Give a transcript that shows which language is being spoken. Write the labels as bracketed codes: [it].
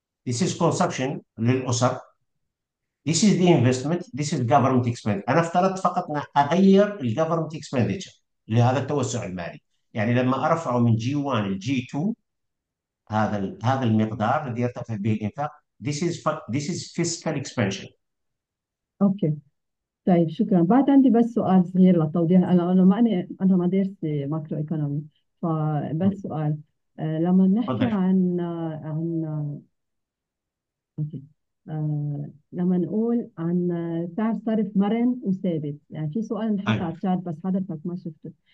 [en] This is consumption [ar] للأسر. [en] This is the investment. This is government expenditure. [ar] أنا افترضت فقط أن أغير الجفرمنت اكسبنديتشر لهذا التوسع المالي. يعني لما أرفعه من جي 1 لجي 2 هذا المقدار الذي يرتفع به الإنفاق. [en] This is fiscal expansion. [ar] اوكي طيب شكرا. بعد عندي بس سؤال صغير للتوضيح، انا ما انا ما درست ماكرو ايكونومي، فبس سؤال. لما نحكي تفضل. عن اوكي لما نقول عن سعر صرف مرن وثابت، يعني في سؤال انحط على الشات بس حضرتك ما شفته.